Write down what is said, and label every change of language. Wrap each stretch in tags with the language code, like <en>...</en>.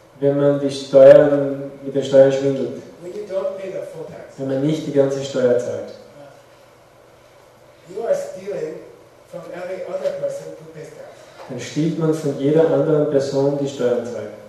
<de>Wenn man die Steuern mit den Steuern schwindelt.</de> <en>When you don't pay the full tax.</en> <de>Wenn man nicht die ganze Steuer zahlt.</de> <en>You are stealing from every other person who pays tax.</en> <de>Dann stiehlt man von jeder anderen Person die Steuern zahlen.</de>